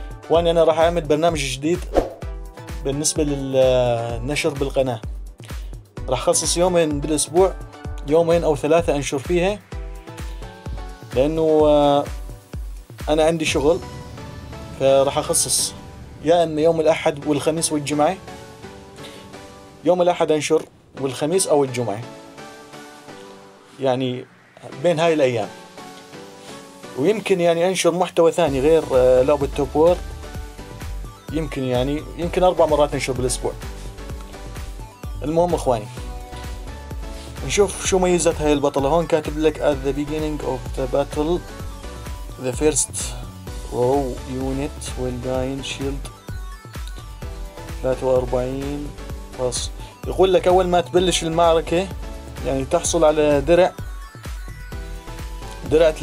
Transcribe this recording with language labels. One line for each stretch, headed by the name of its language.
Arabic: واني انا راح اعمل برنامج جديد بالنسبة للنشر بالقناة، راح اخصص يومين بالاسبوع، يومين او ثلاثة انشر فيها، لانه انا عندي شغل فراح اخصص يا ان يوم الاحد والخميس والجمعة، يوم الاحد انشر والخميس او الجمعة، يعني بين هاي الايام. ويمكن يعني انشر محتوى ثاني غير لعبة توب وور، يمكن يعني يمكن 4 مرات انشر بالاسبوع. المهم اخواني، نشوف شو ميزات هاي البطلة. هون كاتب لك
English: at the beginning of the battle the first row unit will die in shield 43 plus.
Arabic: يقول لك اول ما تبلش المعركة يعني تحصل على درع 43.6%.